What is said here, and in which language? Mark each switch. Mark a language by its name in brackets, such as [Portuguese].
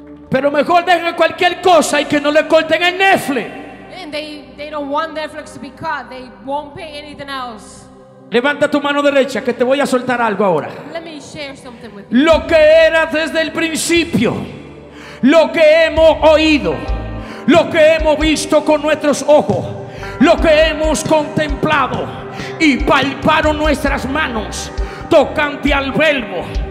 [Spanish] Pero mejor dejen cualquier cosa y que no le corten el Netflix. [English] And they don't want Netflix to be cut. They won't pay anything else. [Spanish] Levanta tu mano derecha que te voy a soltar algo ahora. [English] Let me share something with you. [Spanish] Lo que era desde el principio, lo que hemos oído, lo que hemos visto con nuestros ojos, lo que hemos contemplado y palparon nuestras manos tocante al verbo.